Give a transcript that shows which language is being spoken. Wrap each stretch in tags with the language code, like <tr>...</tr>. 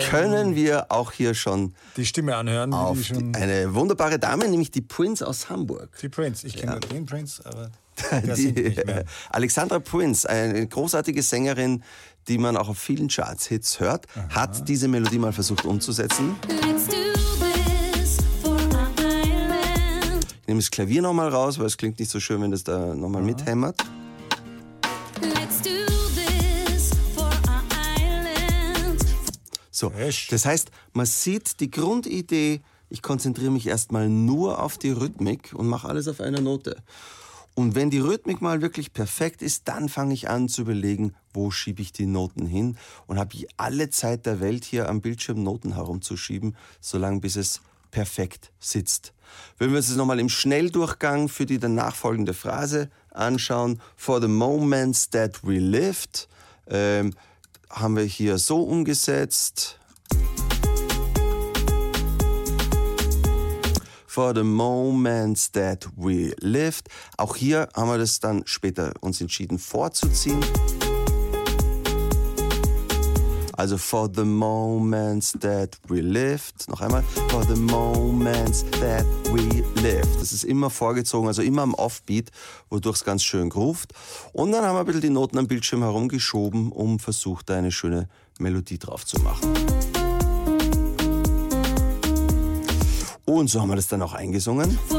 <de>können wir auch hier schon die Stimme anhören. Auf die schon eine wunderbare Dame, nämlich die Prince aus Hamburg. Die Prince, ich kenne ja den Prince, aber die sind nicht mehr. Alexandra Prince, eine großartige Sängerin, die man auch auf vielen Charts-Hits hört, aha, hat diese Melodie mal versucht umzusetzen.</de> <en>Let's do this for our island.</en> <de>Ich nehme das Klavier nochmal raus, weil es klingt nicht so schön, wenn das da nochmal mithämmert.</de> <en>Let's do this for our island.</en> <de>So, das heißt, man sieht die Grundidee, ich konzentriere mich erstmal nur auf die Rhythmik und mache alles auf einer Note. Und wenn die Rhythmik mal wirklich perfekt ist, dann fange ich an zu überlegen, wo schiebe ich die Noten hin und habe alle Zeit der Welt hier am Bildschirm Noten herumzuschieben, solange bis es perfekt sitzt. Wenn wir uns das nochmal im Schnelldurchgang für die danach folgende Phrase anschauen,</de> <en>for the moments that we lived,</en> <de>haben wir hier so umgesetzt.</de> <en>For the moments that we lived.</en> <de>Auch hier haben wir das dann später uns entschieden vorzuziehen. Also</de> <en>for the moments that we lived.</en> <de>Noch einmal.</de> <en>For the moments that we lived.</en> <de>Das ist immer vorgezogen, also immer am Offbeat, wodurch es ganz schön groovt. Und dann haben wir ein bisschen die Noten am Bildschirm herumgeschoben, um versucht, eine schöne Melodie drauf zu machen. Und so haben wir das dann auch eingesungen.</de>